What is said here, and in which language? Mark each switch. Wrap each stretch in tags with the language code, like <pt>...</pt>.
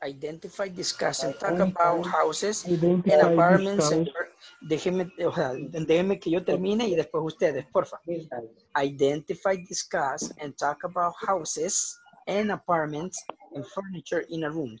<en>Identify, discuss, and talk about houses and apartments.</en> <es>Déjeme que yo termine y después ustedes, por favor.</es> <en>Identify, discuss, and talk about houses and apartments and furniture in a room.</en>